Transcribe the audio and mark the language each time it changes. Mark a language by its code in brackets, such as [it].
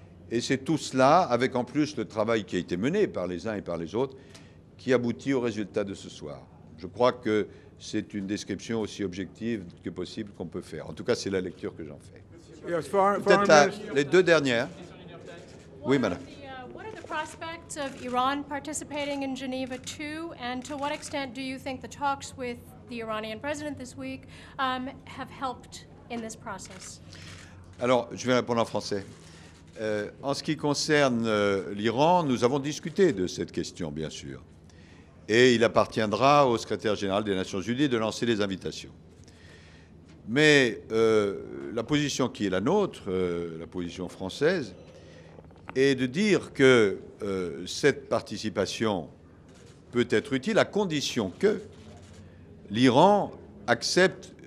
[fr] Et c'est tout cela, avec en plus le travail qui a été mené par les uns et par les autres, qui aboutit au résultat de ce soir. Je crois que c'est une description aussi objective que possible qu'on peut faire. En tout cas, c'est la lecture que j'en fais. Peut-être les deux dernières. Oui, madame. [en] Prospects of Iran participating in Geneva 2, and to what extent do you think the talks with the Iranian president this week have helped in this process? [fr] Alors, je vais répondre en français. En ce qui concerne l'Iran, nous avons discuté de cette question, bien sûr, et il appartiendra au secrétaire général des Nations Unies de lancer les invitations. Mais la position qui est la nôtre, la position française, et de dire que cette participation peut être utile à condition que l'Iran accepte